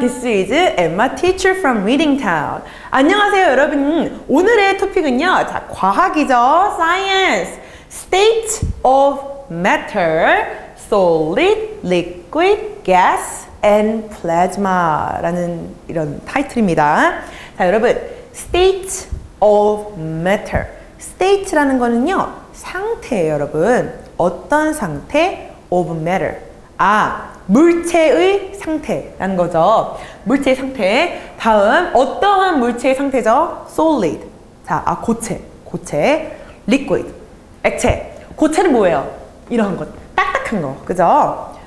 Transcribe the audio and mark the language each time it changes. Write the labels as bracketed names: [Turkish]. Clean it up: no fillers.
[English] This is Emma, teacher from Reading Town. [Korean] 안녕하세요, 여러분. 오늘의 토픽은요, 자, 과학이죠, science. [English] State of matter, solid, liquid, gas, and plasma [Korean] 라는 이런 타이틀입니다. 자, 여러분, [English] state of matter. [Korean] State라는 거는요, 상태예요, 여러분. 어떤 상태? [English] Of matter. [Korean] 아, 물체의 상태라는 거죠. 물체의 상태. 다음, 어떠한 물체의 상태죠? Solid. 자, 아, 고체. 고체. Liquid. 액체. 고체는 뭐예요? 이러한 것. 딱딱한 거. 그죠?